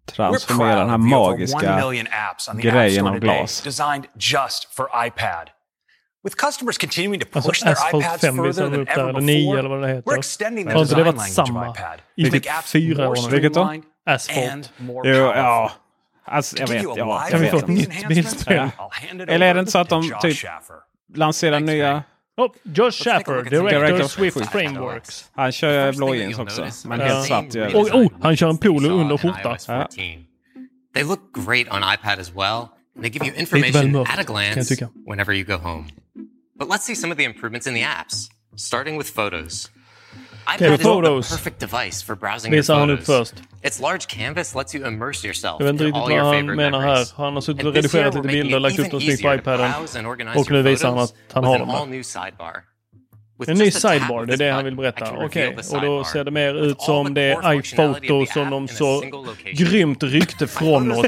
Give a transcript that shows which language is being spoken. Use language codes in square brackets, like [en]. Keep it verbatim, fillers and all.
[en] We're proud of the over one million apps on the App Store today glass. designed just for iPad. With customers continuing to push their iPads further than ever before, we're extending the design language of iPad to make apps more streamlined and more powerful. [sv] Alltså, jag vet, ja, jag vet. Nytt bilspel. Eller är det inte så att de typ lanserar nya... [en] Oh, Josh Schaffer, director, director of Swift Frameworks. [sv] Han kör blåjeans också, men helt svart. Ja. Och oh, han kör en polo under skjorta. Ja. [en] They look great on iPad as well. And they give you information at a glance whenever you go home. But let's see some of the improvements in the apps, starting with photos. Okay, iPad photos. is the perfect device for browsing your photos. First. Its large canvas lets you immerse yourself in all your favorite memories. [sv] Han har suttit och redigerat lite bilder och lagt upp dem snyggt på iPaden. Och nu visar han att han har dem här. En ny sidebar, det är det han vill berätta. Okej, okay. Och då ser det mer ut som det iPhoto som de så grymt ryckte från oss.